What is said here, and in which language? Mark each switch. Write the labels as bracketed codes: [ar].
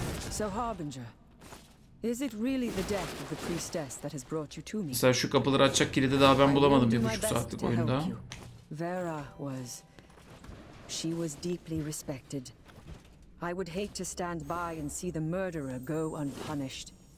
[en] So Harbinger, is it really the death of the priestess that has brought you to me? [tr] Mesela şu kapıları açacak kilidi daha ben bulamadım 1,5 saatlik oyunda. [en] Vera was. She was deeply respected. I would hate to stand by and see the murderer go unpunished.